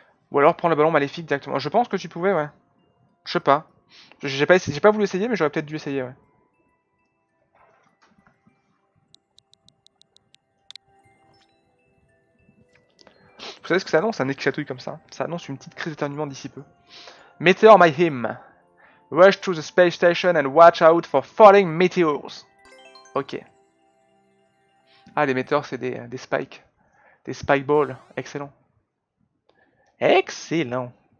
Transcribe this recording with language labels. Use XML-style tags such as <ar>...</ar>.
<fr>Ou alors, prends le ballon maléfique directement. Je pense que tu pouvais, ouais. Je sais pas. J'ai pas voulu essayer, mais j'aurais peut-être dû essayer, ouais. Vous savez ce que ça annonce, un nez qui chatouille comme ça? Ça annonce une petite crise d'éternuement d'ici peu.</fr> <en>Meteor Mayhem. Rush to the space station and watch out for falling meteors. Ok.</en> <fr>Ah, les meteors, c'est des spikes. Des spike balls. Excellent. Excellent.</fr>